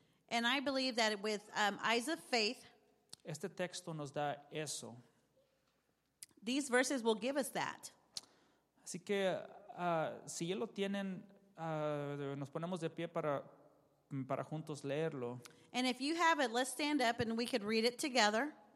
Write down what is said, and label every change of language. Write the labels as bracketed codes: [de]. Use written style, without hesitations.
[en] And I believe that with eyes of faith. [es] Este texto nos da eso. [en] These verses will give us that. [es] Así que si ya lo tienen, nos ponemos de pie para juntos leerlo. [en] And if you have it, let's stand up and we could read it together.